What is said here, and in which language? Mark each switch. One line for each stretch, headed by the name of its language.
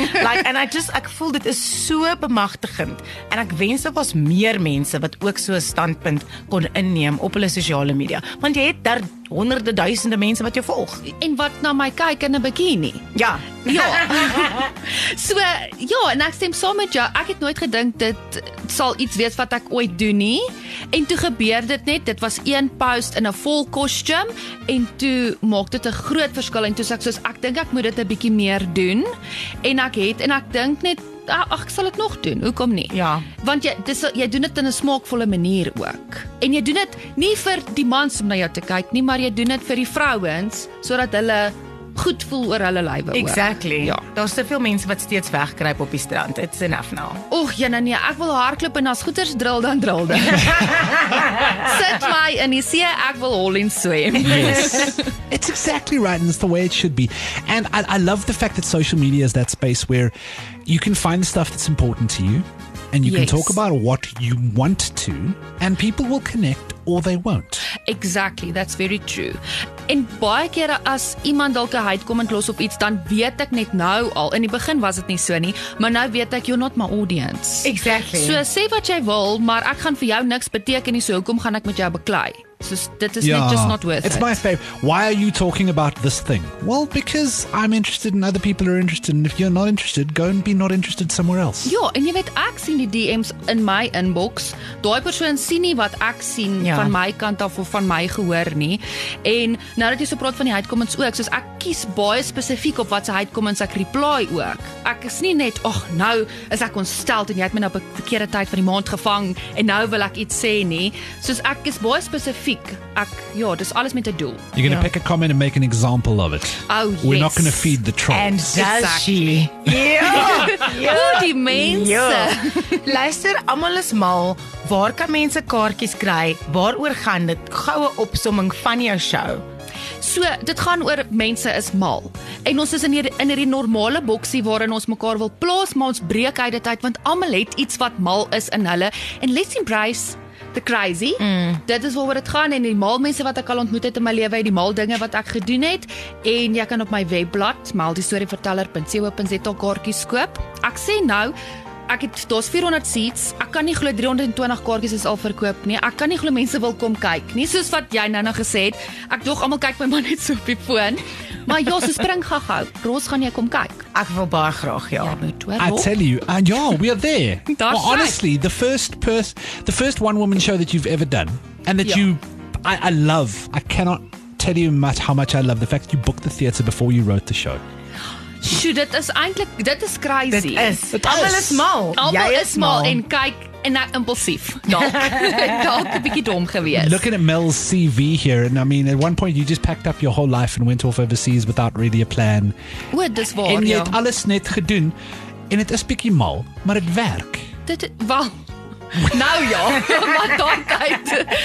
Afrikaans: Like, and ek voel dit is so bemagtigend en ek wens daar was meer mense wat ook so 'n standpunt kon inneem op hulle sosiale media, want jy het daar honderde duisende mense wat jou volg. En wat na my kyk in 'n bikini. Ja. Ja. So, ja, en ek stem saam met jou, ek het nooit gedink dit sal iets wees wat ek ooit doen nie. En toe gebeur dit net, dit was een post in 'n vol kostuum en toe maak dit 'n groot verskil en toe sê ek soos ek dink ek moet dit 'n bietjie meer doen. En ek het en ek dink net ek sal dit nog doen. Hoekom nie? Ja. Want jy doen dit in 'n smaakvolle manier ook. En jy doen dit nie vir die mans om na jou te kyk nie, maar jy doen dit vir die vrouens sodat hulle goed voel oor hulle lywe.
English: Exactly.
Afrikaans: Ja. Daar's te veel mense wat steeds wegkruip op die strand.
English: It's enough now.
Afrikaans: Oeg, jenna nee, ek wil hardloop en as goeters drill dan drill dit. Sit my in die see, ek wil hol en swem.
English: Yes. It's exactly right and it's the way it should be. And I love the fact that social media is that space where you can find stuff that's important to you and you can talk about what you want to and people will connect or they won't. Exactly, that's very true.
Afrikaans: En baie kere as iemand dalk 'n hate comment los op iets, dan weet ek net nou al, in die begin was dit nie so nie, maar nou weet ek,
English: you're not my audience. Exactly.
Afrikaans: So sê wat jy wil, maar ek gaan vir jou niks beteken nie, so hoekom gaan ek met jou beklei? So dit is
English: just not worth it. It's my fave. Why are you talking about this thing? Well, because I'm interested and other people are interested. And if you're not interested, go and be not interested somewhere else.
Afrikaans: Ja, en jy weet, ek sien die DMs in my inbox. Daai persoon sien nie wat ek sien van my kant af of van my gehoor nie. En nou dat jy so praat van die hate comments ook, soos ek kies baie spesifiek op wat se hate comments ek reply ook. Ek is nie net, ag, nou is ek ontsteld en jy het my nou op 'n verkeerde tyd van die maand gevang en nou wil ek iets sê nie. Soos ek is baie spesifiek. Dis alles met 'n doel.
English: You're going to pick a comment and make an example of it. Oh, yes. We're not going to feed the trolls. And does she?
Afrikaans: Yo! Die mense. Luister, almal is mal. Waar kan mense kaartjies kry? Waaroor gaan dit? Goue opsomming van jou show. So, dit gaan oor mense is mal. En ons is in hierdie normale boksie waarin ons mekaar wil plaas, maar ons breek uit dit uit, want almal het iets wat mal is in hulle.
English: En let's embrace the crazy. Mm.
Afrikaans: Dit is waaroor dit gaan en die mal mense wat ek al ontmoet het in my lewe, die mal dinge wat ek gedoen het en jy kan op my webblad maldiestoryverteller.co.za kaartjies koop. Ek sê nou, ek het daar's 400 seats. Ek kan nie glo 320 kaartjies is al verkoop nie. Ek kan nie glo mense wil kom kyk nie, soos wat jy nou gesê het. Ek dog almal kyk my maar net so op die foon. Maar ja, so spring gou. Ros gaan jy kom kyk. Ek wil baie graag, ja.
English: I tell you, and yeah, we are there. Well, honestly, the first one woman show that you've ever done, and that you, I love. I cannot tell you much how much I love the fact that you booked the theatre before you wrote the show.
Afrikaans: Shoot, dit is eintlik, dit is crazy. Dit is. Almal is mal. Almal is mal en kyk. En dat impulsief. Dalk een beetje dom geweest.
English: Looking at Mel's CV here, and I mean, at one point you just packed up your whole life and went off overseas without really a plan.
Afrikaans: Word dis waar, en je hebt alles net gedoen. En het is beetje mal, maar het werk. Dit, wel, nou ja, maar daar tijd.